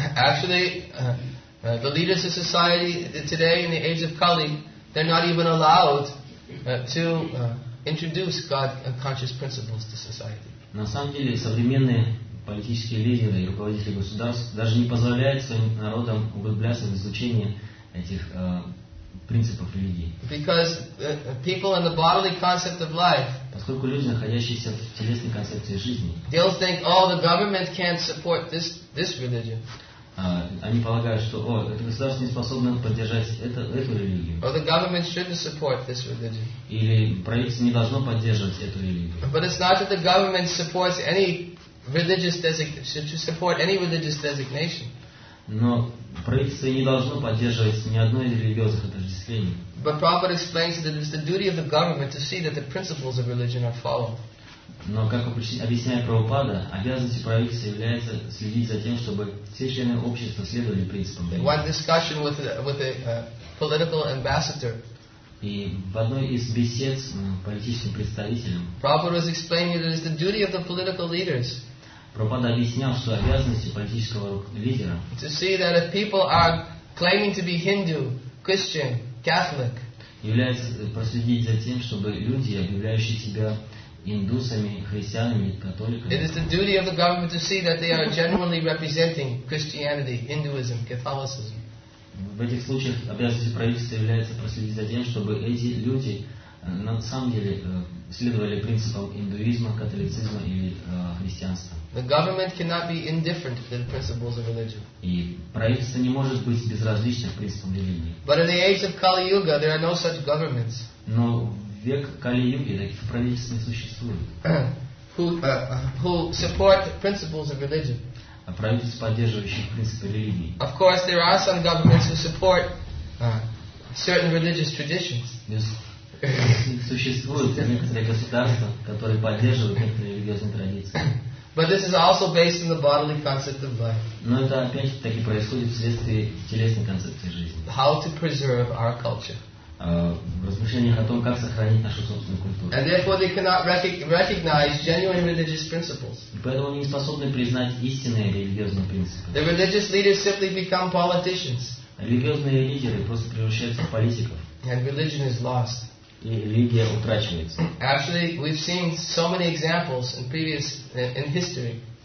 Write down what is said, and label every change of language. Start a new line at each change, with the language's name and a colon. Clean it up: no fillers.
English: Actually, The leaders of society today in the age of Kali, they're not even allowed to introduce God conscious principles to society.
Russian: На самом деле, современные политические лидеры и руководители государств даже не позволяют своим народам углубляться в изучение этих принципов религии.
English: Because people in the bodily concept of life.
Russian: Поскольку люди, находящиеся в телесной концепции жизни.
English: They'll think, oh, the government can't support this religion.
Russian: Они полагают, что это государство не способно поддержать эту религию.
English: Or the government shouldn't support this religion.
Russian: Или правительство не должно поддерживать эту религию.
English: But it's not that the government supports any religious designation, should support any religious designation.
Russian: Но правительство не должно поддерживать ни одно из религиозных отождествлений.
English: But Prabhupada explains that it is the duty of the government to see that the principles of religion are followed.
Russian: Но, как объясняет Прабхупада, обязанностью правительства является следить за тем, чтобы все члены общества следовали принципам.
English: One discussion with a political ambassador.
Russian: И в одной из бесед с политическим представителем.
English: Prabhupada was explaining that it is the duty of the political leaders.
Russian: Прабхупада объяснял, что обязанностью политического лидера.
English: To see that if people are claiming to be Hindu, Christian, Catholic.
Russian: Является проследить за тем, чтобы люди, объявляющие себя индусами, христианами, католиками.
English: It is the duty of the government to see that they are genuinely representing Christianity, Hinduism, Catholicism.
Russian: В этих случаях обязанность правительства является проследить за тем, чтобы эти люди на самом деле следовали принципам индуизма, католицизма или христианства.
English: The government cannot be indifferent to the principles of religion.
Russian: И правительство не может быть безразличным к принципам религии.
English: But in the age of Kali Yuga, there are no such governments.
Russian: Но в век Кали-юги таких правительств не существует.
English: Who support principles of religion.
Russian: А правительства, поддерживающие принципы религии.
English: Of course, there are some governments who support certain religious traditions.
Russian: Существуют некоторые государства, которые поддерживают некоторые религиозные традиции.
English: But this is also based on the bodily concept of life.
Russian: Но это опять-таки происходит вследствие телесной концепции жизни.
English: How to preserve our culture.
Russian: В размышлениях о том, как сохранить нашу собственную культуру.
English: And therefore they cannot recognize genuine religious principles.
Russian: Поэтому они не способны признать истинные религиозные принципы.
English: The religious leaders simply become politicians.
Russian: Религиозные лидеры просто превращаются в политиков.
English: And religion is lost.
Russian: И религия утрачивается.
English: Actually, we've seen so many examples in history.